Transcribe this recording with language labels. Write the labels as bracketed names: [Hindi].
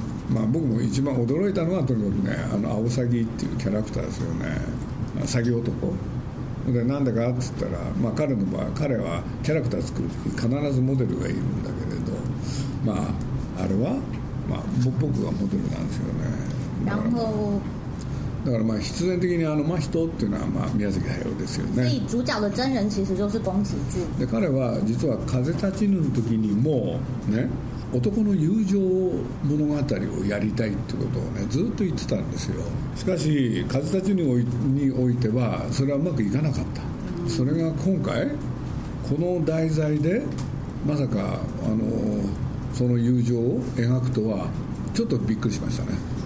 [Japanese] まあ、僕も一番驚いたのはとにかくね、あのアオサギっていうキャラクターですよね、まあ、サギ男で、なんでかって言ったら、まあ、彼の場合彼はキャラクター作る時必ずモデルがいるんだけれど、まああれは、まあ、僕がモデルなんですよね。だから、まあ、必然的にあの真人っていうのはまあ宮崎駿ですよね。 [Chinese] 主角の真人其实就是宫崎骏。 [Japanese] で彼は実は風立ちぬの時にもね、男の友情物語をやりたいってことをねずっと言ってたんですよ。しかし風立ちぬにおいてはそれはうまくいかなかった。それが今回この題材でまさかその友情を描くとはちょっとびっくりしましたね。